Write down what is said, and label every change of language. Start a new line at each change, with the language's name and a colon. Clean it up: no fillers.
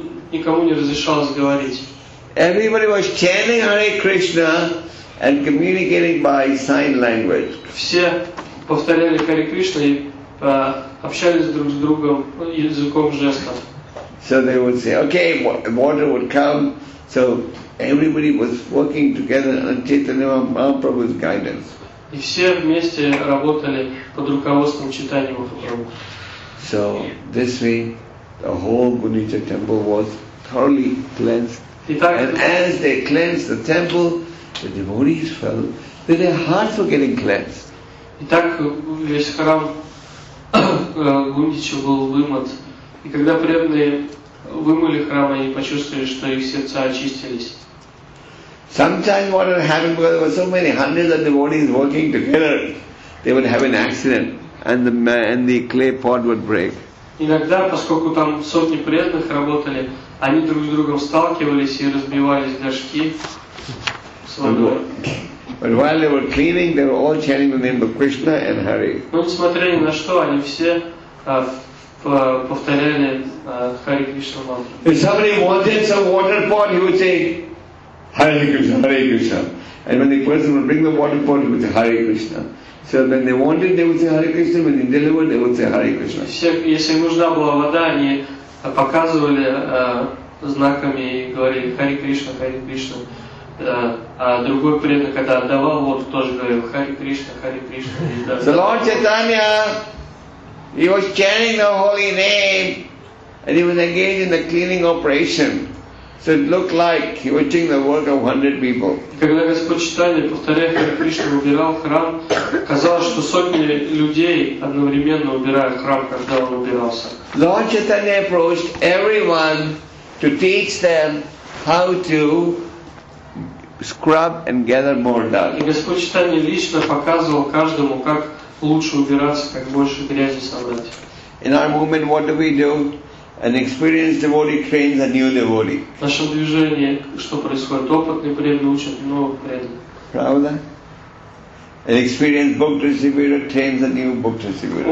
Russian: Никому не разрешалось говорить.
English: Everybody was chanting Hare Krishna and communicating by sign language.
Russian: Все повторяли Hare Krishna и общались друг с другом языком жестов.
English: So they would say, okay, water would come. So everybody was working together under Chaitanya Mahaprabhu's guidance.
Russian: И все вместе работали под руководством Чайтаньи Махапрабху.
English: So this way, the whole Gunita temple was thoroughly cleansed.
Russian: Итак,
English: and as they cleansed the temple, the devotees felt that their hearts were getting cleansed.
Russian: И так весь храм Гундича был вымыт. И когда преданные вымыли храм, они почувствовали, что их сердца очистились.
English: Sometimes what would happen, because there were so many hundreds of devotees working together, they would have an accident and the clay pot would break.
Russian: Иногда, поскольку там сотни преданных работали, они друг с другом сталкивались и разбивались горшки с водой.
English: But while they were cleaning, they were all chanting the name of Krishna and Hari.
Russian: Но несмотря ни на что, они все повторяли Хари Кришна мантру.
English: If somebody wanted some water pot, he would say Hari Krishna, Hari Krishna. And when the person would bring the water pot, he would say Hari Krishna. So when they wanted, they would say Hari Krishna. When they delivered, they would say Hari Krishna.
Russian: Если нужна была вода, они показывали знаками и говорили Хари Кришна, Хари Кришна. А другой преданный, когда отдавал, вот тоже говорил Хари Кришна, Хари Кришна.
English: So Lord Chaitanya, he was chanting the holy name, and he was engaged in the cleaning operation. So it looked like he was doing the work of 100 people.
Russian: Когда Господь Чайтанья, повторяя Хари Кришна, убирал храм, казалось, что сотни людей одновременно убирают храм, когда он убирался.
English: Lord Chaitanya approached everyone to teach them how to scrub and gather more dust.
Russian: И Господь Чайтанья лично показывал каждому, как лучше убираться, как больше грязи собрать.
English: In our movement, what do we do? An experienced devotee trains a new devotee.
Russian: В нашем движении что происходит? Опытный преданный учит нового преданного. Правда?
English: An experienced book distributor trains a new book distributor.